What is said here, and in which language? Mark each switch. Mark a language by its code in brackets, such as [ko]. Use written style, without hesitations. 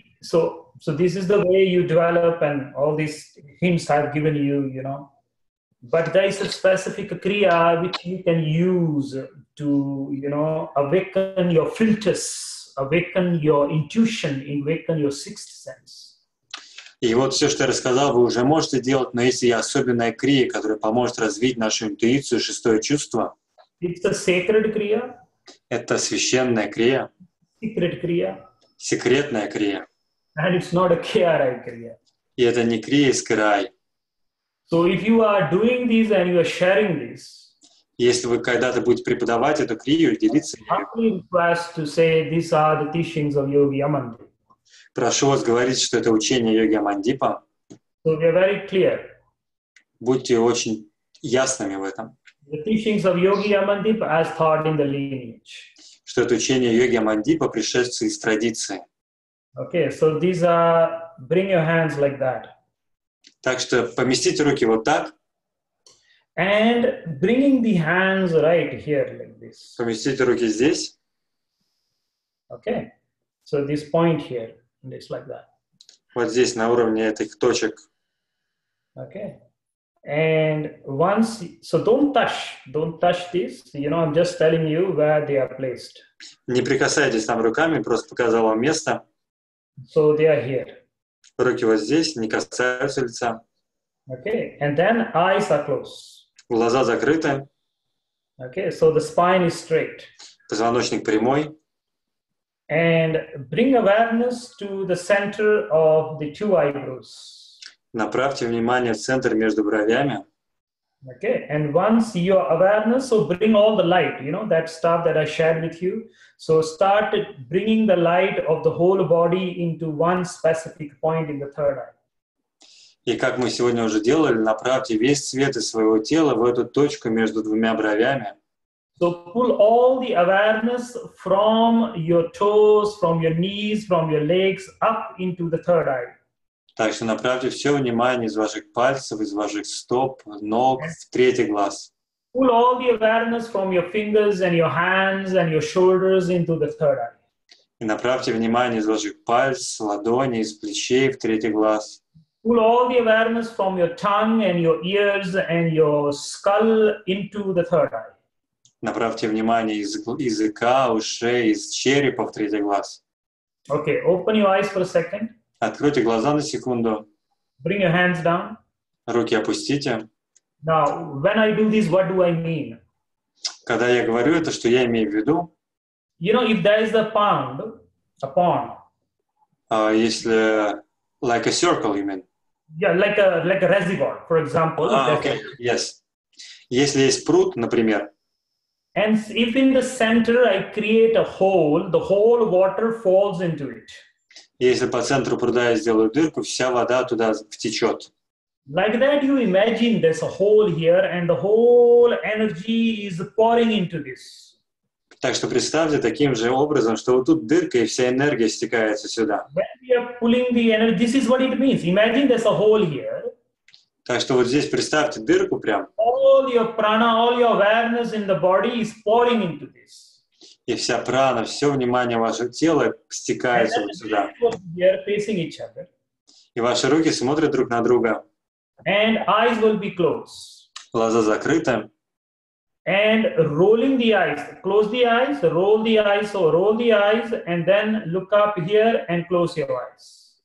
[en] So this is the way you develop, and all these hints I've given you, you know. But there is a specific kriya which you can use to, you know, awaken your filters, awaken your intuition, awaken your sixth sense. [ru] И вот все, что я рассказал, вы уже можете делать, но есть и особенная крия, которая поможет развить нашу интуицию, шестое чувство. [en] It's a sacred kriya. [ru] Это священная крия. [en] Secret kriya. [ru] Секретная крия. [en] And it's not a KRI kriya. [ru] И это не крия из KRI. [en] So if you are doing this and you are sharing this, [ru] если вы когда-то будете преподавать эту крию, делиться ею, [en] I'm really impressed to say these are the teachings of Yogi Amandip. [ru] Прошу вас говорить, что это учение йоги Амандипа. [en] So we are very clear. [ru] Будьте очень ясными в этом. [en] The teachings of Yogi Amandip as taught in the lineage. [ru] Что это учение йоги Амандипа, пришедшее из традиции. [en] Okay, so these are, bring your hands like that. [ru] Так что поместите руки вот так. [en] And bringing the hands right here like this. [ru] Поместите руки здесь. [en] Okay, so this point here. Just like that. [ru] Вот здесь, на уровне этих точек. [en] Okay. And once, so don't touch this. You know, I'm just telling you where they are placed. [ru] Не прикасайтесь там руками, просто показал вам место. [en] So they are here. [ru] Руки вот здесь, не касаются лица. [en] Okay. And then eyes are closed. [ru] Глаза закрыты. [en] Okay, so the spine is straight. [ru] Позвоночник прямой. [en] And bring awareness to the center of the two eyebrows. [ru] Направьте внимание в центр между бровями. [en] Okay, and once your awareness, so bring all the light, you know, that stuff that I shared with you. So start bringing the light of the whole body into one specific point in the third eye. [ru] И как мы сегодня уже делали, направьте весь свет из своего тела в эту точку между двумя бровями. [en] So pull all the awareness from your toes, from your knees, from your legs up into the third eye. [ru] Так что направьте все внимание из ваших пальцев, из ваших стоп, ног в третий глаз. [en] Pull all the awareness from your fingers and your hands and your shoulders into the third eye. [ru] И направьте внимание из ваших пальцев, ладоней, из плечей в третий глаз. [en] Pull all the awareness from your tongue and your ears and your skull into the third eye. [ru] Направьте внимание из языка, ушей, из черепа в третий глаз. [en] Okay, open your eyes for a second. [ru] Откройте глаза на секунду. [en] Bring your hands down. [ru] Руки опустите. [en] Now, when I do this, what do I mean? [ru] Когда я говорю это, что я имею в виду? [en] You know, if there is a pound, upon. [ru] Если [en] like a circle, you mean? Yeah, like a reservoir, for example. Yes. [ru] Если есть пруд, например. [en] And if in the center I create a hole, the whole water falls into it. [ru] Если по центру пруда я сделаю дырку, вся вода туда втечет. [en] Like that, you imagine there's a hole here, and the whole energy is pouring into this. [ru] Так что представьте таким же образом, что вот тут дырка и вся энергия стекается сюда. [en] When we are pulling the energy, this is what it means. Imagine there's a hole here. [ru] Так что вот здесь представьте дырку прям. [en] All your prana, all your awareness in the body is pouring into this. [ru] И вся прана, все внимание вашего тела стекается вот сюда. [en] They're facing each other. [ru] И ваши руки смотрят друг на друга. [en] And eyes will be closed. [ru] Глаза закрыты. [en] And rolling the eyes, close the eyes, roll the eyes, so roll the eyes, and then look up here and close your eyes.